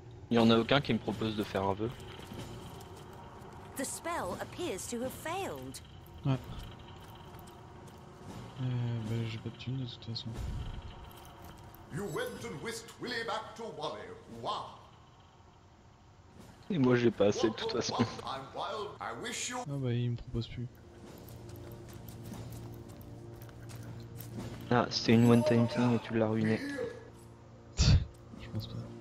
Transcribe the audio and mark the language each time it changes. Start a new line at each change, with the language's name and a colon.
French: Il y en a aucun qui me propose de faire un vœu.
English: The spell appears to have failed.
French: Ouais. Bah, j'ai pas de thune de toute façon.
English: You went and whisked Willy back to Wally. Wow.
French: Et moi j'ai pas assez de toute façon. Ah bah il me propose plus. Ah c'était une
English: one time thing
French: et tu l'as ruiné. Je pense pas.